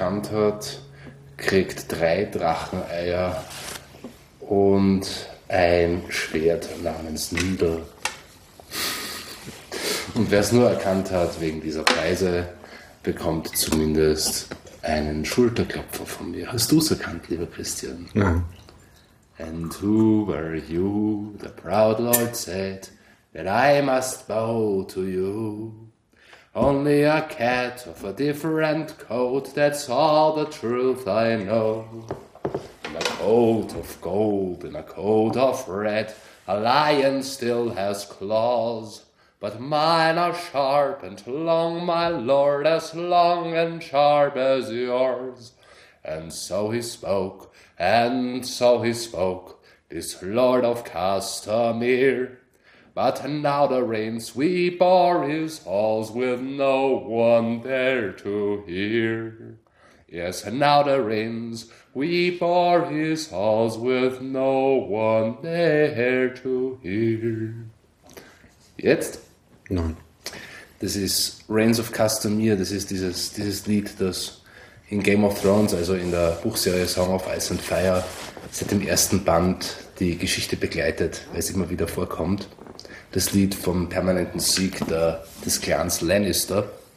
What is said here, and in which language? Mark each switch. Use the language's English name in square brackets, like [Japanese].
[German] Hat, kriegt 3 Dracheneier und ein Schwert namens Nidel. Und wer es nur erkannt hat wegen dieser Preise, bekommt zumindest einen Schulterklopfer von mir. Hast du es erkannt, lieber Christian? Nein. [English] And who were you, the proud Lord said, that I must bow to you? Only a cat of a different coat, that's all the truth I know. In a coat of gold, in a coat of red, a lion still has claws. But mine are sharp and long, my lord, as long and sharp as yours. And so he spoke, and so he spoke, this lord of Castamere. But now the rains sweep o'er his halls with no one there to hear. Yes, now the rains sweep o'er his halls with no one there to hear. [German] Jetzt? Nein. Das ist Rains of Castamere, das ist dieses Lied, das in Game of Thrones, also in der Buchserie Song of Ice and Fire, seit dem ersten Band die Geschichte begleitet, weil es immer wieder vorkommt. Das Lied vom permanenten Sieg des Clans Lannister.